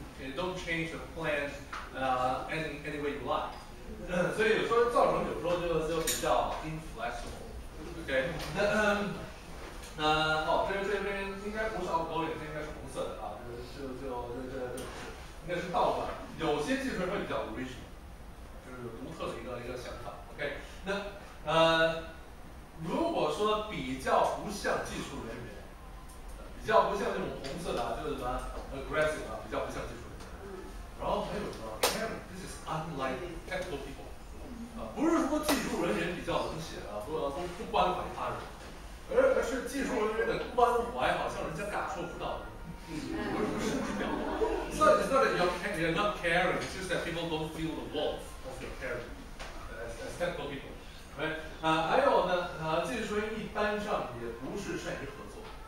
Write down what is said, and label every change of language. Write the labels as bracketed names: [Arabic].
[English] You don't change the plan, any way you like. [Chinese] 所以有时候造成有时候就比较 inflexible. Okay. 那这边应该不是凹沟，应该是红色的啊，就应该是倒转。有些技术会比较 original， 就是独特的一个想法。Okay. 那。如果说比较不像技术人员，比较不像那种红色的、啊，就是什么 aggressive 啊，比较不像技术人员。然后还有什么 caring， [English] this is unlike technical people、 [Chinese] 不是说技术人员比较冷血啊，不关怀他人，而是技术人员的关怀好像人家感受不到的，不是这样。 [English] So it's not that you're not caring, it's just that people don't feel the warmth of your caring as technical people. [Chinese] 还有呢，技术员一般上也不是善于合作。